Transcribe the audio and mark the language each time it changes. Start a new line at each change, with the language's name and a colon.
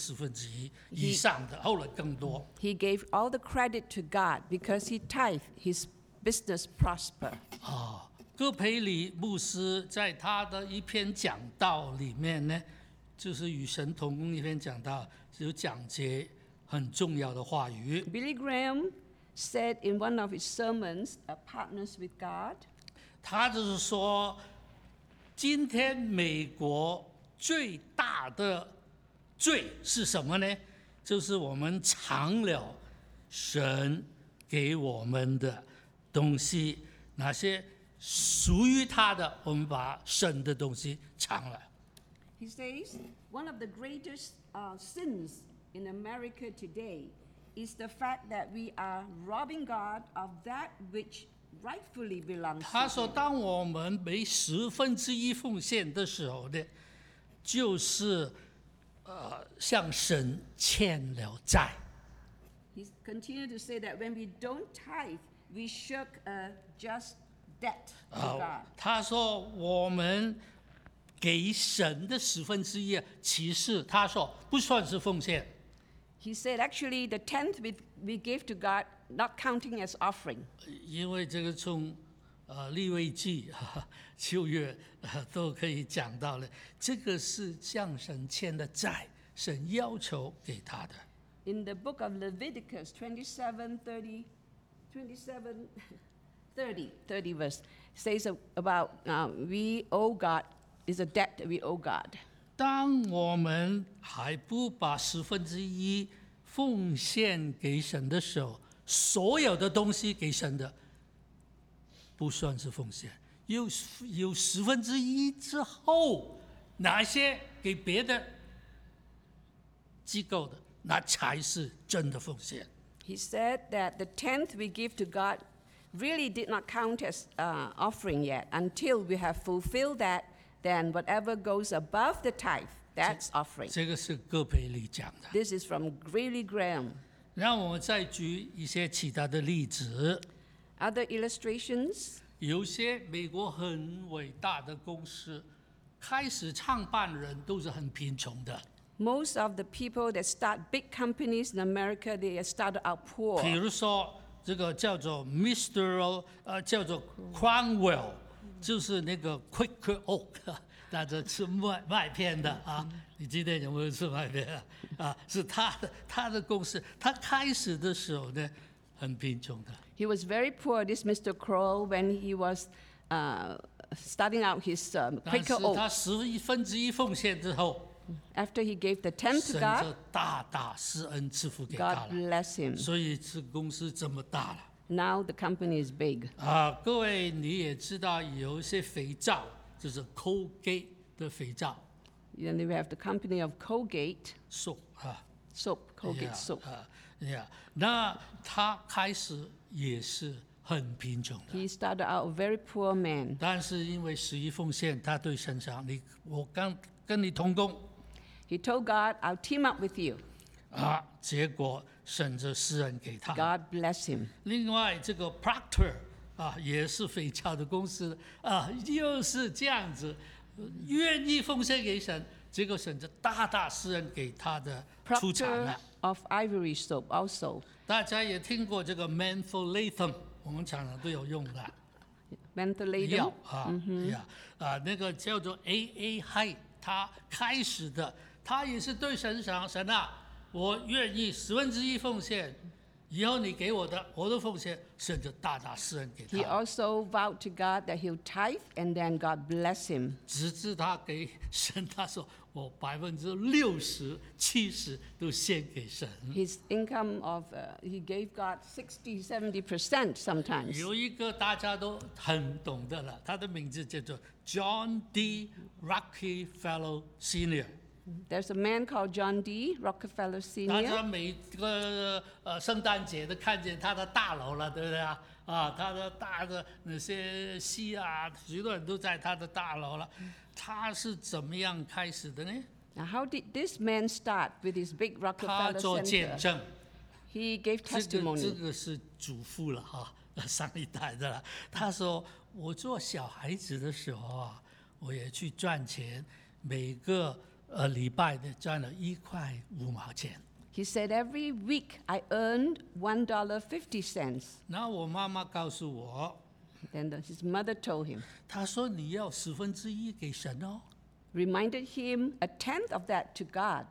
Chinese: 他归功于神，施恩给他，因为他奉献十分之一以上的，后来更多。
English: He gave all the credit to God because he tithe, his business prosper.
Chinese: 戈培里牧师在他的一篇讲道里面呢。就是与神同工一篇讲到，有讲解很重要的话语。
English: Billy Graham said in one of his sermons, "Partners with God."
Chinese: 他就是说，今天美国最大的罪是什么呢？就是我们藏了神给我们的东西，那些属于他的，我们把神的东西藏了。
English: He says, one of the greatest sins in America today is the fact that we are robbing God of that which rightfully belongs to him.
Chinese: 他说，当我们没十分之一奉献的时候呢，就是向神欠了债。
English: He continued to say that when we don't tithe, we shirk a just debt to God.
Chinese: 他说我们给神的十分之一，其实他说不算是奉献。
English: He said actually the tenth we gave to God, not counting as offering.
Chinese: 因为这个从利未记旧约都可以讲到了，这个是向神欠的债，神要求给他的。
English: In the book of Leviticus 27:30 verse says about we owe God is a debt we owe God.
Chinese: 当我们还不把十分之一奉献给神的时候，所有的东西给神的不算是奉献。有十分之一之后，哪些给别的机构的，那才是真的奉献。
English: He said that the tenth we give to God really did not count as offering yet. Until we have fulfilled that, then whatever goes above the tithe, that's offering.
Chinese: 这个是哥培里讲的。
English: This is from Greeley Graham.
Chinese: 让我再举一些其他的例子。
English: Other illustrations.
Chinese: 有些美国很伟大的公司，开始创办人都是很贫穷的。
English: Most of the people that start big companies in America, they started out poor.
Chinese: 比如说这个叫做 Mr. 叫做 Cromwell， 就是那个 Quaker Oak， 那是吃麦片的啊。你今天有没有吃麦片啊？啊，是他的公司，他开始的时候呢，很贫穷的。
English: He was very poor, this Mr. Crowell, when he was starting out his Quaker Oak.
Chinese: 但是他十分之一奉献之后，
English: after he gave the tenth to God,
Chinese: 神就大大施恩赐福给他了。
English: God bless him.
Chinese: 所以这公司这么大了。
English: Now the company is big.
Chinese: 各位你也知道有一些肥皂，就是 Colgate 的肥皂。
English: Then we have the company of Colgate. Soap. Soap, Colgate soap. Yeah.
Chinese: 那他开始也是很贫穷的。
English: He started out a very poor man.
Chinese: 但是因为十一奉献，他对神讲：“你，我刚跟你同工。
English: ”He told God, "I'll team up with you."
Chinese: 结果神就施恩给他。
English: God bless him.
Chinese: 另外，这个 Procter 也是肥皂的公司又是这样子，愿意奉献给神，结果神就大大施恩给他的出产了。
English: Of ivory soap also.
Chinese: 大家也听过这个 menthol latham， 我们常常都有用的。
English: menthol latham
Chinese: 药啊，呀、mm-hmm. 啊，那个叫做 AA high， 他开始的，他也是对神讲：“神啊，我愿意十分之一奉献，以后你给我的，我都奉献。” 神就大大施恩给他。
English: He also vowed to God that he'll tithe, and then God bless him.
Chinese: 直至他给神，他说。我百分之六十、七十都献给神。
English: His income of he gave God 60-70% sometimes.
Chinese: 有一个大家都很懂的了，他的名字叫做 John D.
English: Rockefeller Senior. There's a man called John D. Rockefeller Senior.
Chinese: 大家每个圣诞节都看见他的大楼了，对不对啊？他的大的那些戏啊，许多人都在他的大楼了。他是怎么样开始的呢？
English: Now, how did this man start with his big Rockefeller Center?
Chinese: 他做见证。
English: He gave testimony.
Chinese: 这个是祖父了哈，上一代的了。他说，我做小孩子的时候啊，我也去赚钱，每个礼拜的赚了1.5块。
English: He said every week I earned $1.50.
Chinese: 那我妈妈告诉我。
English: Then his mother told him.
Chinese: 他说你要十分之一给神哦。
English: Reminded him a tenth of that to God.